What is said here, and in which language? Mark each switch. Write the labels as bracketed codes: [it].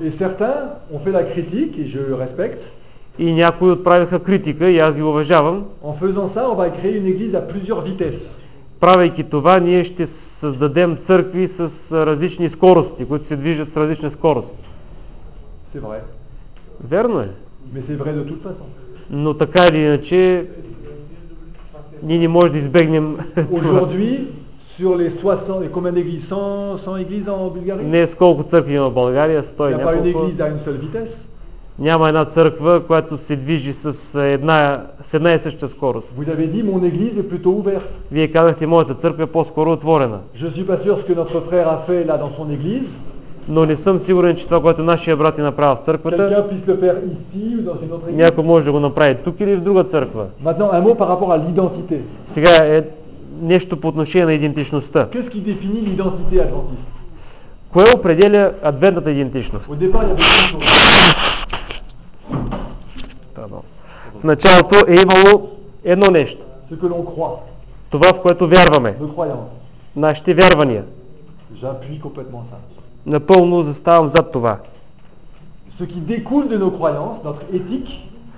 [fr] Et certains ont fait la critique et je respecte. [bg] И някои отправиха критика и аз ги уважавам. [fr] En faisant ça, on va créer une église à plusieurs vitesses. [bg] Правейки това, ние ще създадем църкви с различни скорости, които се движат с различна скорост. [fr] C'est vrai. [bg] Верно е. [fr] Mais c'est vrai de toute façon. [bg] Но така или иначе ние не можем да избегнем [fr] aujourd'hui sur les 60 et combien d'églises 100 églises en Bulgarie? [bg] Не, колко църкви има в България? 100 и няколко. Няма една църква, която се движи с една и съща скорост. [fr] Vous avez dit mon église est plutôt ouverte. [bg] Вие казахте, моята църква е по-скоро отворена. [fr] Je suis pas sûr ce que notre frère a fait là dans son église. [bg] Но не съм сигурен, че това, което нашия брат е направил в църквата, [fr] quelqu'un puisse le faire ici ou dans une autre église. [bg] Някой може да го направи тук или в друга църква. [fr] Maintenant, un mot par rapport à l'identité. [bg] Сега е нещо по отношение на идентичността. [fr] Qu'est-ce qui définit l'identité adventiste? [bg] Кое определя адвентната идентичност? [fr] Au départ, il y a beaucoup de choses. [bg] В началото е имало едно нещо. [fr] Ce que l'on croit. [bg] Това, в което вярваме. [fr] Nos croyances. [bg] Нашите вярвания. [fr] J'appuie complètement ça. [bg] Напълно заставам зад това. [fr] Ce qui découle de nos croyances, notre éthique.